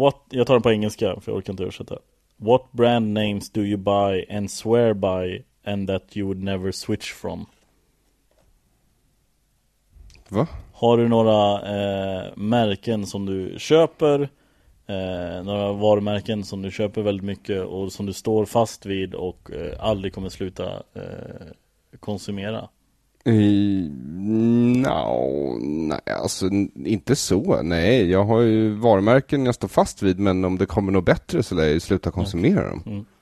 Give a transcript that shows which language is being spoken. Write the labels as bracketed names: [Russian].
[Swedish] Jag tar den på engelska för jag orkar inte översätta. [English] What brand names do you buy and swear by and that you would never switch from? [Swedish] Va? Har du några märken som du köper några varumärken som du köper väldigt mycket och som du står fast vid och aldrig kommer sluta konsumera? Nej, jag har ju varumärken jag står fast vid, men om det kommer något bättre så lär jag sluta konsumera dem.